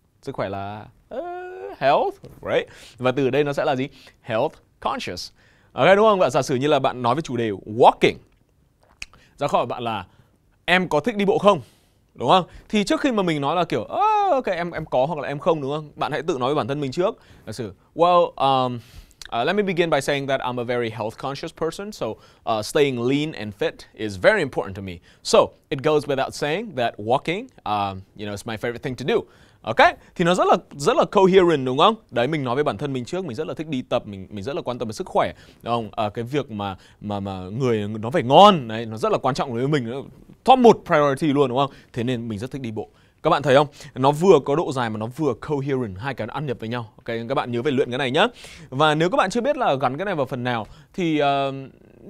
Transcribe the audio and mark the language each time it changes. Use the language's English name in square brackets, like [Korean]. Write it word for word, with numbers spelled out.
[Vietnamese] Sức khỏe là uh, health, right? Và từ đây nó sẽ là gì? [English] Health conscious. Ok, [Vietnamese] đúng không? Bạn giả sử như là bạn nói về chủ đề walking. Ra khỏi bạn là em có thích đi bộ không? Đúng không? Thì trước khi mà mình nói là kiểu oh, ok em em có hoặc là em không, đúng không? Bạn hãy tự nói về bản thân mình trước. Giả sử [English] well um Uh, let me begin by saying that I'm a very health-conscious person, so uh, staying lean and fit is very important to me. So it goes without saying that walking, um, you know, is my favorite thing to do. [Vietnamese] Okay, thì nó rất là rất là coherent, đúng không? Đấy, mình nói với bản thân mình trước, mình rất là thích đi tập, mình mình rất là quan tâm đến sức khỏe, đúng không? À, cái việc mà mà mà người nó phải ngon, đấy, nó rất là quan trọng đối với mình, top một priority luôn, đúng không? Thế nên mình rất thích đi bộ. Các bạn thấy không? Nó vừa có độ dài mà nó vừa coherent, hai cái nó ăn nhập với nhau. Ok, các bạn nhớ về luyện cái này nhá. Và nếu các bạn chưa biết là gắn cái này vào phần nào thì uh,